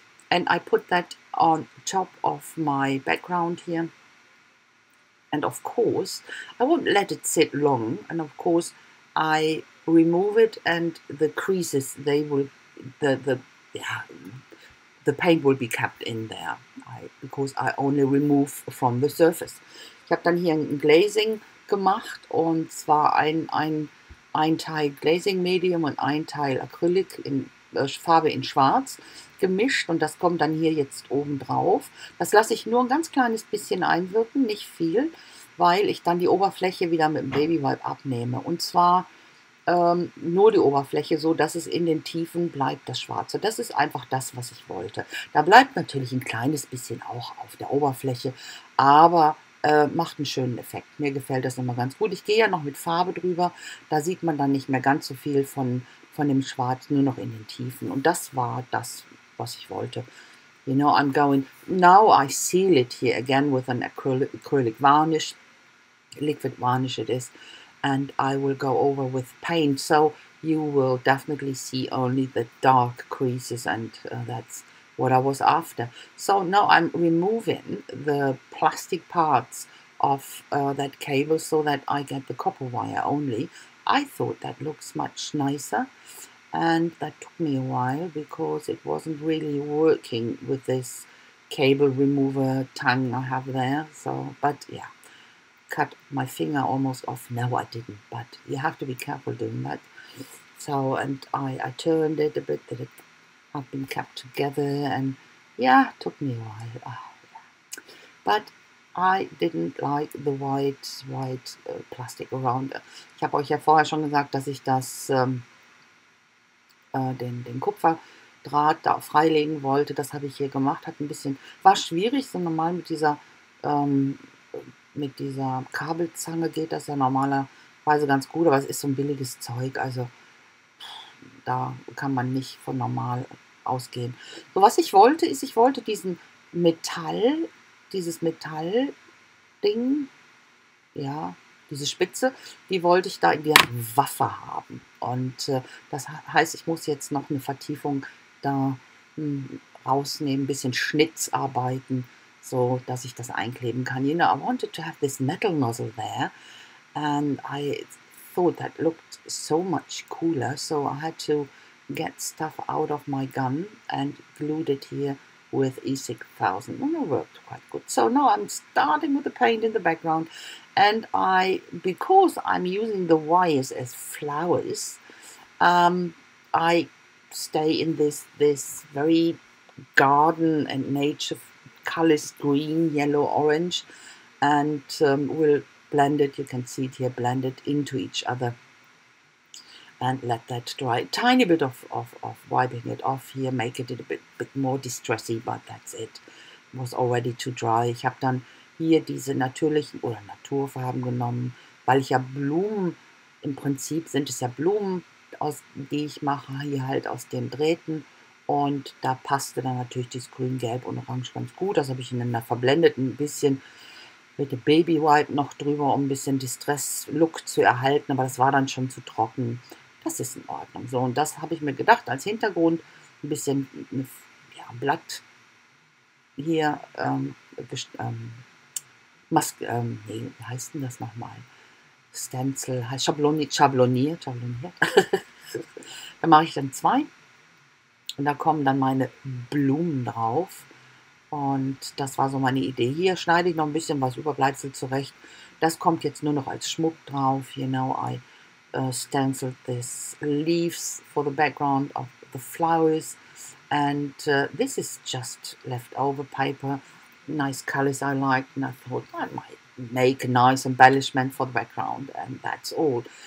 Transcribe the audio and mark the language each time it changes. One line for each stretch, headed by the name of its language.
English: And I put that on top of my background here. And of course, I won't let it sit long. And of course, I remove it, and the creases, they will, the paint will be kept in there. Because I only remove from the surface.
German: Ich habe dann hier ein Glazing gemacht, und zwar ein Teil Glazing Medium und ein Teil Acrylic in Farbe in Schwarz gemischt, und das kommt dann hier jetzt oben drauf. Das lasse ich nur ein ganz kleines bisschen einwirken, nicht viel, weil ich dann die Oberfläche wieder mit dem Babywipe abnehme. Und zwar nur die Oberfläche, so dass es in den Tiefen bleibt, das Schwarze. Das ist einfach das, was ich wollte. Da bleibt natürlich ein kleines bisschen auch auf der Oberfläche, aber macht einen schönen Effekt. Mir gefällt das immer ganz gut. Ich gehe ja noch mit Farbe drüber. Da sieht man dann nicht mehr ganz so viel von dem Schwarz, nur noch in den Tiefen. Und das war das, was ich wollte.
English: You know, I'm going... Now I seal it here again with an acrylic varnish. Liquid varnish it is. And I will go over with paint. So you will definitely see only the dark creases. And that's what I was after. So now I'm removing the plastic parts of that cable so that I get the copper wire only. I thought that looks much nicer, and that took me a while because it wasn't really working with this cable remover tongue I have there. So, but yeah, cut my finger almost off. No, I didn't, but you have to be careful doing that. So, and I turned it a bit that it had been kept together, and yeah, took me a while. Oh, yeah. But I didn't like the white plastic around.
German: Ich habe euch ja vorher schon gesagt, dass ich das den Kupferdraht da freilegen wollte. Das habe ich hier gemacht. Hat ein bisschen, war schwierig. So normal mit dieser Kabelzange geht das ja normalerweise ganz gut. Aber es ist so ein billiges Zeug. Also da kann man nicht von normal ausgehen. So, was ich wollte, ist, ich wollte dieses Metallding, ja, diese Spitze, die wollte ich da in der Waffe haben. Und das heißt, ich muss jetzt noch eine Vertiefung da rausnehmen, ein bisschen Schnitz arbeiten, so dass ich das einkleben kann.
English: You know, I wanted to have this metal nozzle there, and I thought that looked so much cooler, so I had to get stuff out of my gun and glued it here with E6000, and it worked quite good. So now I'm starting with the paint in the background, and I, because I'm using the wires as flowers, I stay in this very garden and nature colors, green, yellow, orange, and we'll blend it, you can see it here, blend it into each other, and let that dry. Tiny bit of wiping it off here, make it a bit more distressy, but that's it. It was already too dry.
German: Ich habe dann hier diese natürlichen oder Naturfarben genommen, weil ich ja Blumen, im Prinzip sind es ja Blumen, aus die ich mache, hier halt aus den Drähten, und da passte dann natürlich dieses Grün, Gelb und Orange ganz gut. Das habe ich ineinander verblendet, ein bisschen mit dem Babywipe noch drüber, um ein bisschen Distress-Look zu erhalten, aber das war dann schon zu trocken. Das ist in Ordnung. So, und das habe ich mir gedacht als Hintergrund, ein bisschen ein Blatt hier wie heißt denn das nochmal? Stencil, schabloniert. Da mache ich dann zwei, und da kommen dann meine Blumen drauf, Und das war so meine Idee. Hier schneide ich noch ein bisschen was Überbleibsel zurecht. Das kommt jetzt nur noch als Schmuck drauf.
English: You know, I stenciled these leaves for the background of the flowers. And this is just leftover paper. Nice colors I liked. And I thought I might make a nice embellishment for the background. And that's all.